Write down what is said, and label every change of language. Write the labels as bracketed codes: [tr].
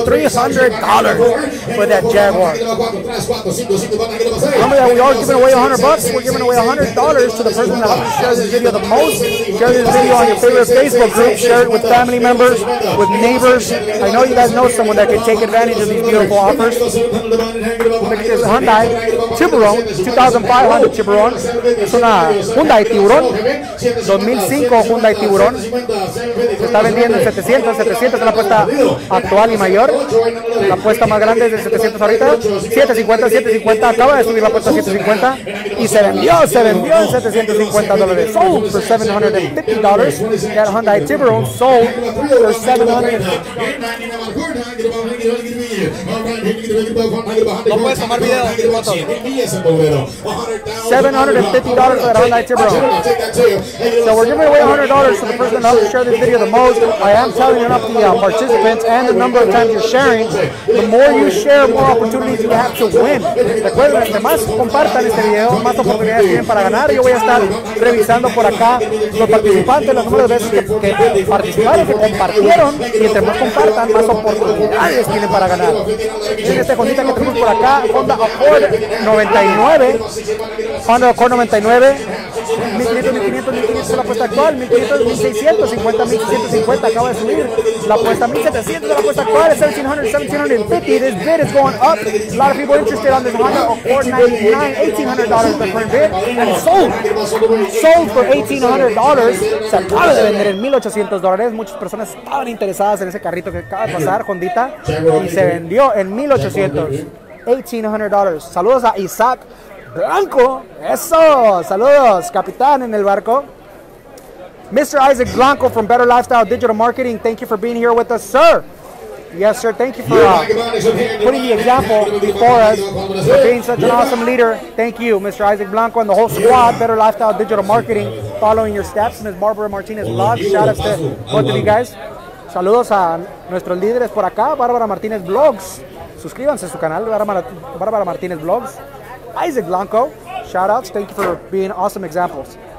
[en] $300 for that Jaguar. Remember that we are giving away $100. We're giving away $100 to the person that helps share this video the most. Share this video on your favorite Facebook group. Share it with family members, with neighbors. I know you guys know someone that can take advantage of these beautiful offers. Look at this Hyundai Tiburon. [es] Tiburón, 2500 Tiburón, es una Hyundai Tiburón, 2005 Hyundai Tiburón, se está vendiendo en 700, 700 es la apuesta actual y mayor, la apuesta más grande es de 700 ahorita, 750, 750, acaba de subir la apuesta a 750, y se vendió en $750, [en] sold for $750, that Hyundai Tiburón sold for $750. $750 for that Hyundai Tiburón. So we're giving away $100 to the person who helps share this video the most. I am telling enough the participants and the number of times you're sharing. The more you share, more opportunities you have to win. [es] Recuerden, entre más compartan este video, más oportunidades tienen para ganar. Yo voy a estar revisando por acá los participantes, los números de veces que participaron, que compartieron. Y entre más compartan, más oportunidades tienen para ganar. Miren esta cosita que tenemos por acá. Honda Accord 99. Honda Accord 99. 1500, 1500, 1500 es la apuesta actual. 1500, 1650, 1650. Acaba de subir la apuesta. 1700 es la apuesta actual. [en] 1700, 1750. This bid is going up. A lot of people interested on this Honda Accord 99. $1,800 the current bid. And sold. Sold for $1,800. [es] Se acaba de vender en $1,800. Muchas personas estaban interesadas en ese carrito que acaba de pasar, Hondita. Y se vendió en $1,800. Saludos a Isaac Blanco, eso, saludos, capitán en el barco. [en] Mr. Isaac Blanco from Better Lifestyle Digital Marketing, thank you for being here with us, sir. Yes, sir, thank you for putting the example before us, for being such an awesome leader. Thank you, Mr. Isaac Blanco, and the whole squad, Better Lifestyle Digital Marketing, following your steps. Ms. Barbara Martinez Vlog, shout out to both of you guys. [es] Saludos a nuestros líderes por acá, Barbara Martinez Vlogs. Suscríbanse a su canal, Barbara Martinez Vlogs. [en] Isaac Blanco, shout outs, thank you for being awesome examples.